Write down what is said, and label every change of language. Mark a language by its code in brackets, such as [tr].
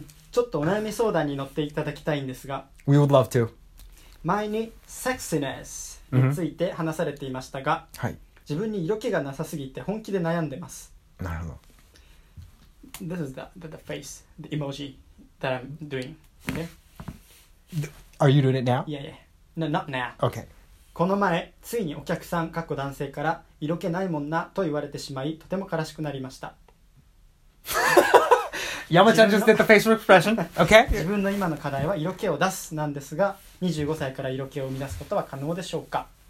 [ja] ちょっとお悩み相談に乗っていただきたいんですが。 [en] We would love to. [ja] 前に sexiness について話されていましたが、はい。自分に色気がなさすぎて本気で悩んでます。なるほど。 [en] This is the face, the emoji that I'm doing. Okay. Are you doing it now? Yeah, yeah. No, not now. Okay. [ja] この前、ついにお客さん、かっこ男性から色気ないもんなと言われてしまい、とても悲しくなりました。 [en] Yamachan just did the facial expression. Okay. [ja] 自分の今の課題は色気を出すなんですが、25歳から色気を生み出すことは可能でしょうか？